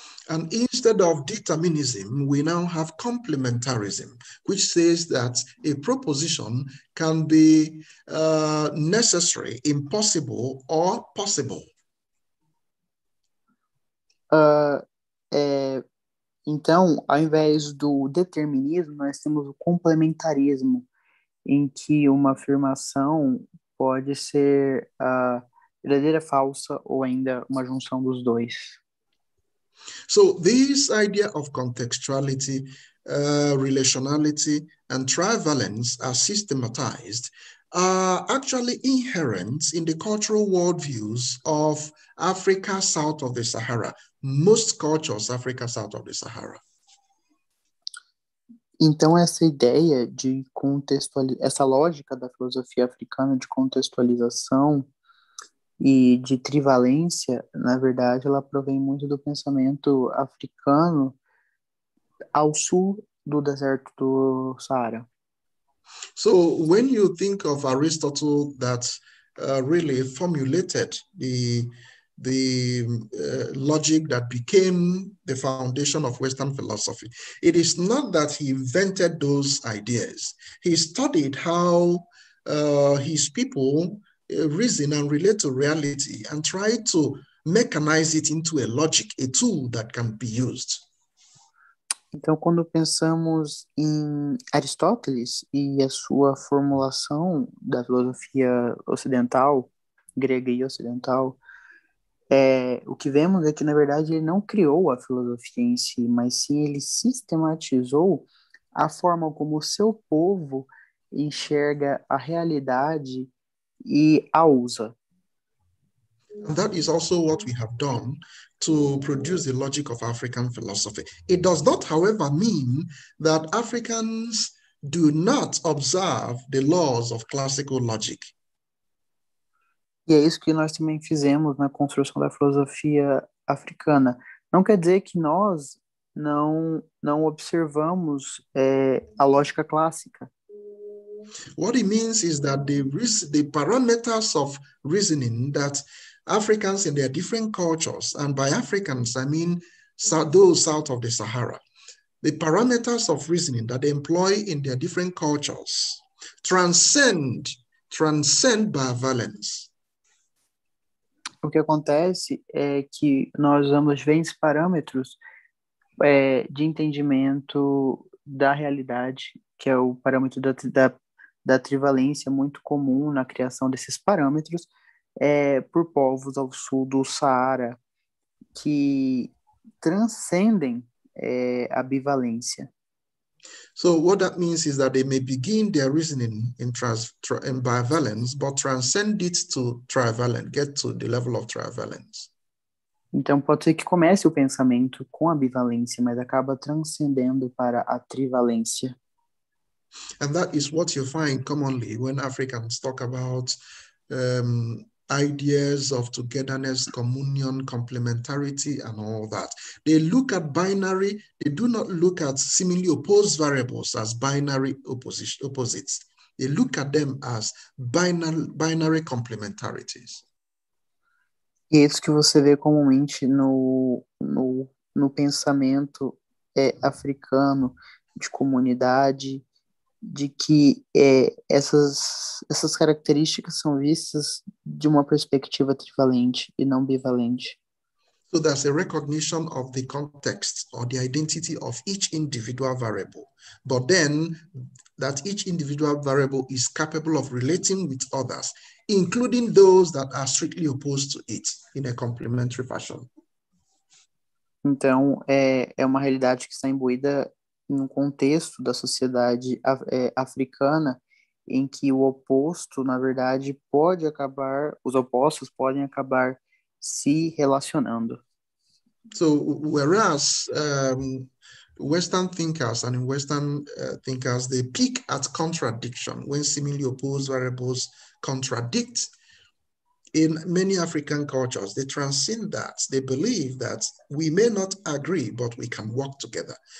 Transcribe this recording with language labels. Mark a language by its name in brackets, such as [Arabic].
[English] And instead of determinism, we now have complementarism, which says that a proposition can be necessary, impossible, or possible. [Portuguese] Então, ao invés do determinismo, nós temos o complementarismo, em que uma afirmação pode ser verdadeira, falsa, ou ainda uma junção dos dois. [English] So, this idea of contextuality, relationality, and trivalence are systematized, are actually inherent in the cultural worldviews of Africa south of the Sahara. Most cultures, Africa south of the Sahara. [Portuguese] Então, essa ideia de essa lógica da filosofia africana de contextualização e de trivalência, na verdade, ela provém muito do pensamento africano ao sul do deserto do Saara. [English] So, when you think of Aristotle that really formulated the logic that became the foundation of Western philosophy, it is not that he invented those ideas. He studied how his people reason and relate to reality and try to mechanize it into a logic, a tool that can be used. [Portuguese] Então, quando pensamos em Aristóteles e a sua formulação da filosofia ocidental, grega e ocidental, o que vemos é que, na verdade, ele não criou a filosofia em si, mas sim ele sistematizou a forma como o seu povo enxerga a realidade e a usa. [English] That is also what we have done to produce the logic of African philosophy. It does not, however, mean that Africans do not observe the laws of classical logic. [Portuguese] E é isso que nós também fizemos na construção da filosofia africana. Não quer dizer que nós não observamos a lógica clássica. [English] What it means is that the parameters of reasoning that Africans in their different cultures, and by Africans, I mean those south of the Sahara, the parameters of reasoning that they employ in their different cultures transcend bivalence. [Portuguese] O que acontece é que nós usamos diferentes parâmetros de entendimento da realidade, que é o parâmetro da trivalência muito comum na criação desses parâmetros, por povos ao sul do Saara, que transcendem a bivalência. [English] So what that means is that they may begin their reasoning in bivalence, but transcend it to trivalent, get to the level of trivalence. [Portuguese] Então pode ser que comece o pensamento com a bivalência, mas acaba transcendendo para a trivalência. [English] And that is what you find commonly when Africans talk about ideas of togetherness, communion, complementarity, and all that. They look at binary, they do not look at seemingly opposed variables as binary opposites. They look at them as binary complementarities. [Portuguese] E isso que você vê comumente no pensamento africano de comunidade, de que essas características são vistas de uma perspectiva trivalente e não bivalente. [English] So there's a recognition of the context or the identity of each individual variable, but then that each individual variable is capable of relating with others, including those that are strictly opposed to it, in a complementary fashion. [Portuguese] Então, é uma realidade que está imbuída em um contexto da sociedade africana, em que o oposto, na verdade, pode acabar, os opostos podem acabar se relacionando. [English] So, whereas Western thinkers and Western thinkers, they peek at contradiction when seemingly opposed variables contradict, in many African cultures, they transcend that. They believe that we may not agree, but we can work together.